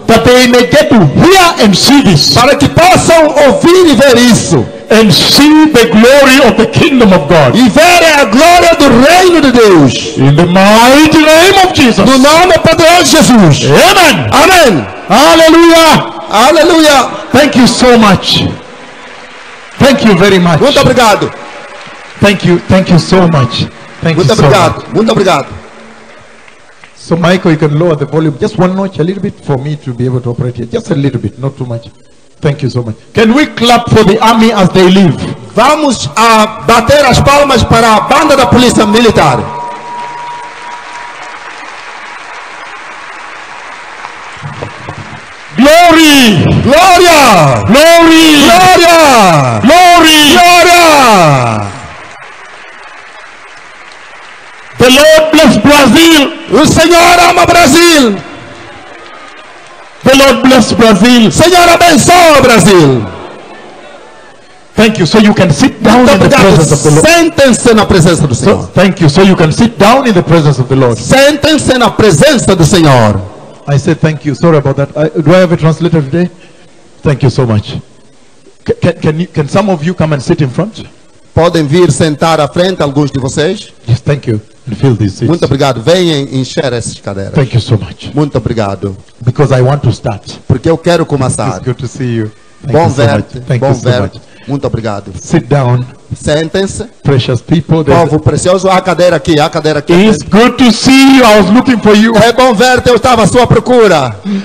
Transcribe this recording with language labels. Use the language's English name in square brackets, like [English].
[English] That they may get to hear and see this. [Portuguese] Para que possam ouvir e ver isso. [English] And see the glory of the kingdom of God. [Portuguese] E ver a glória do reino de Deus. [English] In the mighty name of Jesus. [Portuguese] No nome poderoso de Jesus. [English] Amen. Amen. [Portuguese] Aleluia. Aleluia. [English] Thank you so much. Thank you very much. [Portuguese] Muito obrigado. [English] Thank you. Thank you so much. Thank [Portuguese] Muito obrigado. [English] So much. [Portuguese] Muito obrigado. [English] So Michael, you can lower the volume just one notch, a little bit, for me to be able to operate here. Just a little bit, not too much. Thank you so much. Can we clap for the army as they leave? [Portuguese] Vamos a bater as palmas para a banda da polícia militar. [English] Glory! [Portuguese] Gloria! [English] Glory! [Portuguese] Gloria! [English] Glory! [Portuguese] Gloria! [English] The Lord bless Brazil. [Portuguese] O Senhor ama Brasil. [English] The Lord bless Brazil. [Portuguese] Senhor abençoa Brasil. [English] Thank you, so you can sit down in the presence of the Lord. [Portuguese] Sentem-se na presença do Senhor. [English] Thank you, so you can sit down in the presence of the Lord. [Portuguese] Sentem-se na presença do Senhor. [English] I said thank you. Sorry about that. Do I have a translator today? Thank you so much. Can some of you come and sit in front? [Portuguese] Podem vir sentar à frente alguns de vocês? [English] Yes, thank you. And fill these seats. [Portuguese] Muito obrigado. Venham encher essas cadeiras. [English] Thank you so much. [Portuguese] Muito obrigado. [English] Because I want to start. [Portuguese] Porque eu quero começar. [English] It's good to see you. [Portuguese] Bom ver. Bom ver. Muito obrigado. [English] Sit down. [Portuguese] Sentem-se. [English] Precious people. [Portuguese] Povo precioso, há cadeira aqui, há cadeira aqui. [English] It's good to see you. I was looking for you. [Portuguese] É bom ver, eu estava à sua procura.